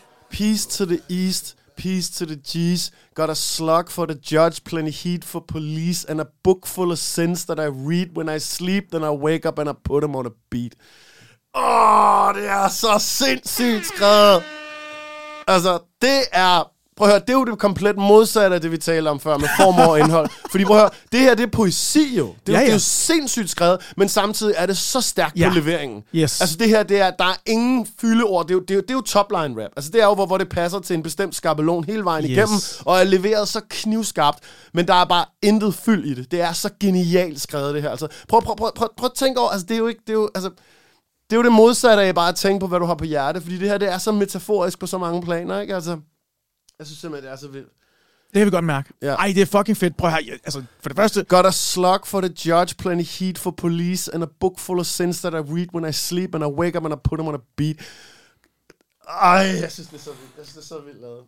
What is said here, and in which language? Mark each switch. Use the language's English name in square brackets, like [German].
[English] Peace to the east, peace to the G's. Got a slug for the judge, plenty heat for police. And a book full of sins that I read when I sleep. Then I wake up and I put them on a beat. [Danish] Det er så sindssygt skrevet. Altså, det er... Prøv at høre, det er jo det komplet modsatte af det, vi talte om før, med form og indhold. Fordi prøv at høre, det her, det er poesi jo. Det, ja, ja. Det er jo sindssygt skrevet, men samtidig er det så stærkt, ja, på leveringen. [English] Yes. [Danish] Altså det her, det er, der er ingen fyldeord. Det er jo topline rap. Altså det er jo, hvor det passer til en bestemt skabelon hele vejen, yes, igennem, og er leveret så knivskarpt, men der er bare intet fyld i det. Det er så genialt skrevet, det her. Altså, prøv at tænke over, altså det er jo ikke, det er jo, altså... Det er jo det modsatte af bare at tænke på, hvad du har på hjerte, fordi det her, det er så metaforisk på så mange planer, ikke? Altså, jeg synes simpelthen, det er så vildt. Det kan vi godt mærke. Ja. Ej, det er fucking fedt. Prøv her. Altså, for det første... [English] Got a slug for the judge, plenty heat for police, and a book full of sins that I read when I sleep, and I wake up and I put them on a beat. [Danish] Ej, jeg synes, det er så vildt. Jeg synes, det er så vildt lavet.